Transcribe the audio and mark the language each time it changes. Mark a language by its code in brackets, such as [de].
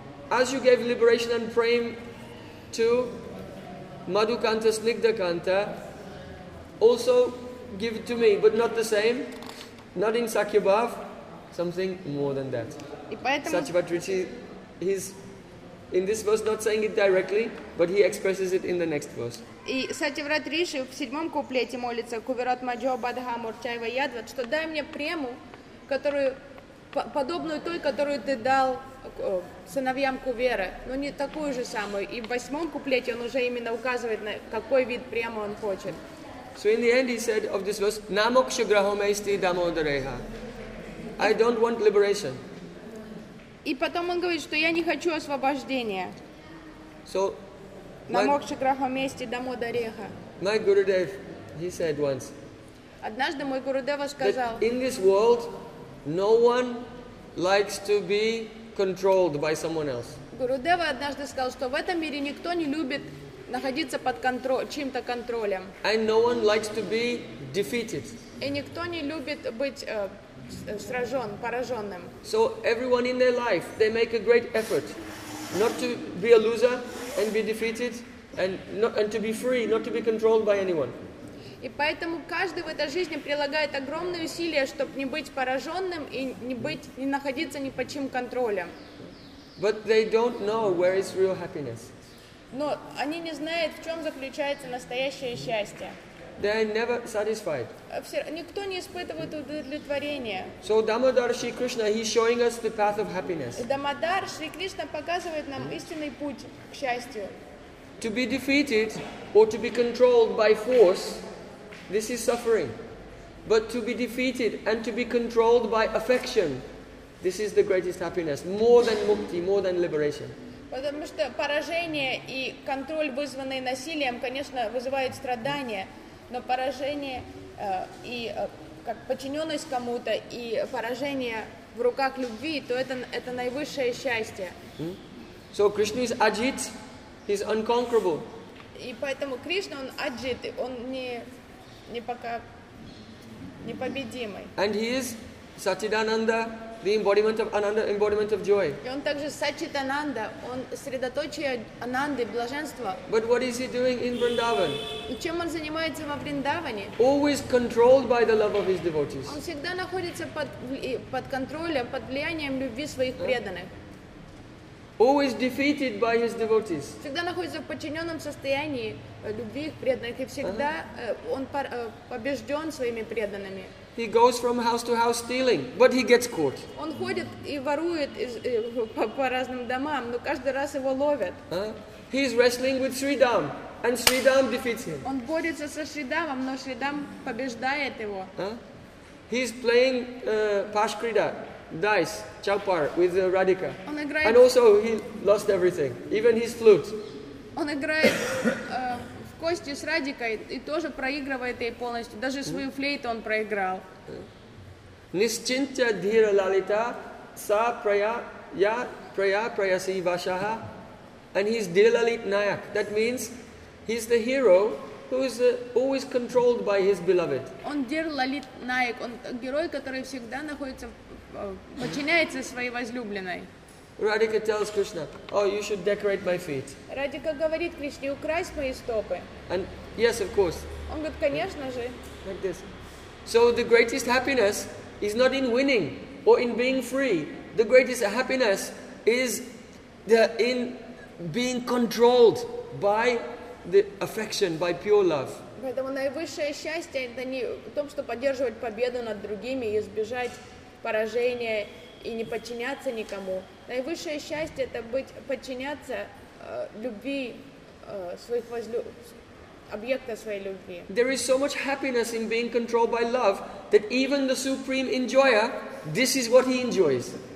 [en] As you gave liberation and prem to Madhukanta Snigdhakanta, also give it to me, but not the same, not in Sakyabhav, something more than that. Sachivatrichi, he's in this verse not saying it directly, but he expresses it in the next verse. [ru] И Сативратриши в седьмом куплете молится [sa] Куверат Маджо Бадха Мурчаева Ядват, [ru] что дай мне прему, которую подобную той, которую ты дал сыновьям Куверы, но не такую же самую. И в восьмом куплете он уже именно указывает, на какой вид премы он хочет. [en] So in the end he said of this verse, [sa] Namokshagrahomesti Damodareha. [en] I don't want liberation. [ru] И потом он говорит, что я не хочу освобождения. [en] So [sa] Намокшаграхомести Дамодареха. [en] My Gurudev, he said once. [ru] Однажды мой Гурудева сказал, [en] in this world no one likes to be controlled by someone else. [ru] Гурудева однажды сказал, что в этом мире никто не любит находиться под чьим-то контролем. [en] And no one likes to be defeated. [ru] И никто не любит быть сражен, пораженным. [en] So everyone in their life, they make a great effort not to be a loser and be defeated and to be free, not to be controlled by anyone. [ru] И поэтому каждый в этой жизни прилагает огромные усилия, чтобы не быть пораженным и не находиться ни под чьим контролем. [en] But they don't know where is real happiness. [ru] Но они не знают, в чем заключается настоящее счастье. [en] They are never satisfied. [ru] Никто не испытывает удовлетворения. [en] So Damodar Shri Krishna, he's showing us the path of happiness. [ru] Дамодар Шри Кришна показывает нам истинный путь к счастью. [en] To be defeated or to be controlled by force, this is suffering. But to be defeated and to be controlled by affection, this is the greatest happiness. More than mukti, more than liberation. [ru] Потому что поражение и контроль, вызванный насилием, конечно, вызывают страдания, но поражение и как подчиненность кому-то, и поражение в руках любви, то это наивысшее счастье. [en] So Krishna is ajit, he's unconquerable. [ru] И поэтому Кришна, он аджиты, он не пока непобедимый. [en] And he is Satchidananda, the embodiment of Ananda, embodiment of joy. [ru] И он также Сатчитананда, он средоточие Ананды, блаженства. [en] But what is he doing in Vrindavan? [ru] Чем он занимается во Вриндаване? [en] Always controlled by the love of his devotees. [ru] Он всегда находится под контролем, под влиянием любви своих преданных. [en] Always defeated by his devotees. [ru] Всегда находится в подчиненном состоянии любви их преданных, и всегда он побежден своими преданными. [en] He goes from house to house stealing, but he gets caught. [ru] Он ходит и ворует по разным домам, но каждый раз его ловят. [en] He is wrestling with Sridham, and Sridham defeats him. [ru] Он борется со Шридамом, но Шридам побеждает его. [en] He is playing Pashkrida. Dice, Chaupar, with Radhika. [ru] Он играет... [en] And also he lost everything, even his flute. [ru] Он играет в кости с Радикой и тоже проигрывает ей полностью. Даже свою флейту он проиграл. [sa] Nischintya dhira lalita sa praya ya praya prayasi vashaha. [en] And he's dhiralalit nayak. That means he's the hero who is always controlled by his beloved. [ru] Он дхиралалит наяк. Он герой, который всегда находится в подчиняется своей возлюбленной. [en] Radhika tells Krishna, oh, you should decorate my feet. [ru] Radhika говорит Кришне, укрась мои стопы. [en] And yes, of course. [ru] Он говорит, конечно же. [en] Like this. So the greatest happiness is not in winning or in being free. The greatest happiness is in being controlled by the affection, by pure love. [ru] Поэтому наивысшее счастье это не в том, чтобы поддерживать победу над другими и избежать поражение и не подчиняться никому. Наивысшее счастье это быть подчиняться любви своих объекта своей любви. [en] There is so much happiness in being controlled by love that even the supreme enjoyer, this is what he enjoys.